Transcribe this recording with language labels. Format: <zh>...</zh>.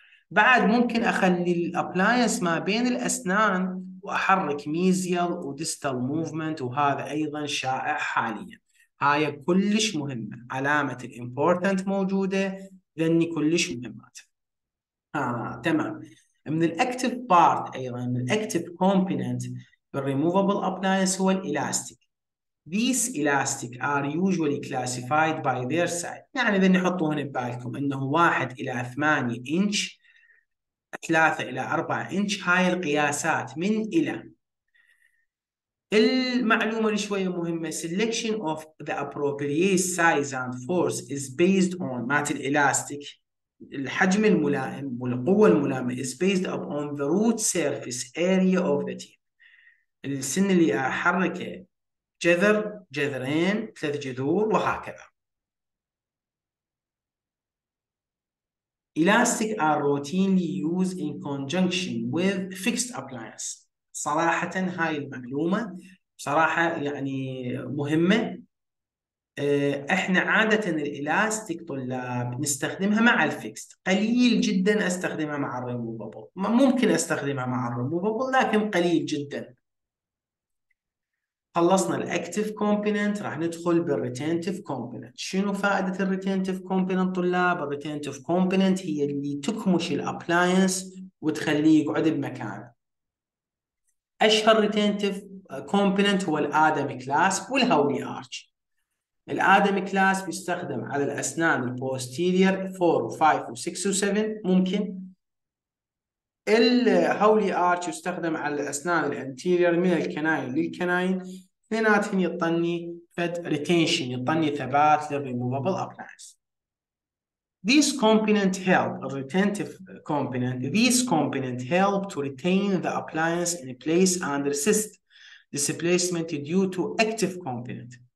<ar>بعد ممكن اخلي الابلاينس ما بين الاسنان واحرك ميزيال وديستال موفمنت، وهذا ايضا شائع حاليا. هاي كلش مهمه، علامه الامبورتنت موجوده ذني كلش مهمات. تمام. من الاكتف بارت، ايضا من الاكتف كومبوننت بالريموفابل ابلاينس هو الالاستيك.</ar> <en>These elastic are usually classified by their size.</en> <ar>يعني ذني حطوهن ببالكم انه 1 إلى 8 إنش، 3 إلى 4 إنش، هاي القياسات من إلى. المعلومة اللي شوية مهمة،</ar> <en>selection of the appropriate size and force is based on</en> <ar>مات الإلاستيك، الحجم الملائم والقوة الملائمة</ar> <en>is based upon the root surface area of the teeth.</en> <ar>السن اللي أحركه جذر، جذرين، 3 جذور وهكذا.</ar> <en>Elastic are routinely used in conjunction with fixed appliance.</en> <ar>صراحة هاي المعلومة بصراحة يعني مهمة. احنا عادة الإلاستيك طلاب نستخدمها مع الفيكست، قليل جدا استخدمها مع الريموفابل، ممكن استخدمها مع الريموفابل لكن قليل جدا. خلصنا الاكتف كومبوننت، راح ندخل بالريتينتيف كومبوننت. شنو فائدة الريتينتيف كومبوننت طلاب؟ الريتينتيف كومبوننت هي اللي تكمش الابلاينس وتخليه يقعد بمكانه. اشهر ريتينتيف كومبوننت هو الادم كلاس والهولي ارش. الادم كلاس بيستخدم على الاسنان البوستيرير 4 و5 و6 و7 ممكن. الهولي ارش يستخدم على الاسنان الانتيرير من الكناين للكناين، اثنيناتهم يطني فد ريتينشن، يطني ثبات للريموفابل ابلاينس.</ar> <en>This component help, a retentive component, this component help to retain the appliance in place and resist displacement due to active component.</en>